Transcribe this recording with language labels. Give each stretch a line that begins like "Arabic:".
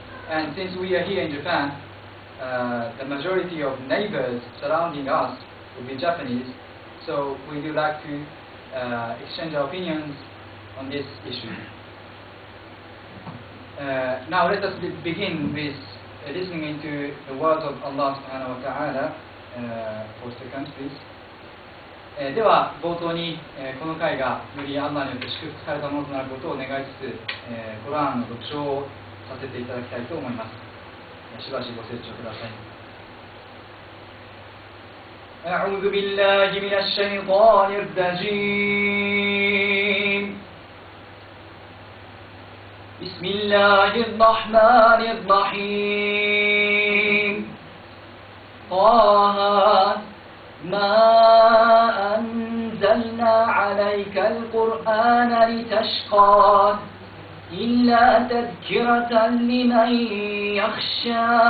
English: And since we are here in Japan, the majority of neighbors surrounding us will be Japanese, so we do like to exchange our opinions on this issue. Now let us begin with listening into the words of Allah
Arabic: subhanahu wa ta'ala
English: for the countries.
Japanese: では冒頭に、この会がよりアンナによって祝福されたものとなることを願いつつ、コランの読書をさせていただきたいと思います。しばしご清聴ください。
Arabic: أعوذ بالله من الشيطان الرجيمبسم الله الرحمن الرحيم طه ما أنزلنا عليك القرآن لتشقى إلا تذكرة لمن يخشى